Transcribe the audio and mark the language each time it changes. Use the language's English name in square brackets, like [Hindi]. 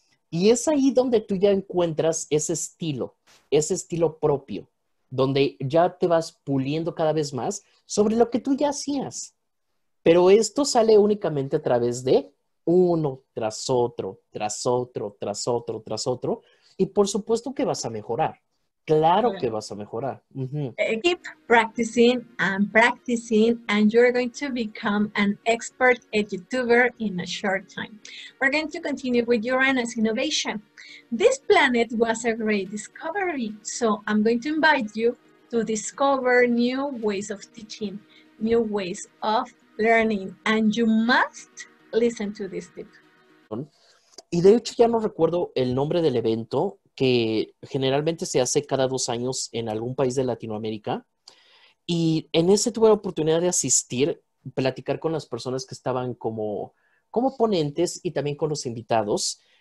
[Spanish] Y es ahí donde tú ya encuentras ese estilo propio, donde ya te vas puliendo cada vez más sobre lo que tú ya hacías. Pero esto sale únicamente a través de uno tras otro, tras otro, tras otro, tras otro. Y por supuesto que vas a mejorar. Claro que vas a mejorar. [English] Keep practicing and practicing, and you're going to become an expert YouTuber in a short time. We're going to continue with Uranus innovation. This planet was a great discovery, so I'm going to invite you to discover new ways of teaching, new ways of learning, and you must listen to this tip. [Spanish] Y de hecho ya no recuerdo el nombre del evento, que generalmente se hace cada 2 años en algún país de Latinoamérica. Y en ese tuve la oportunidad de asistir, platicar con las personas que estaban como ponentes y también con los invitados.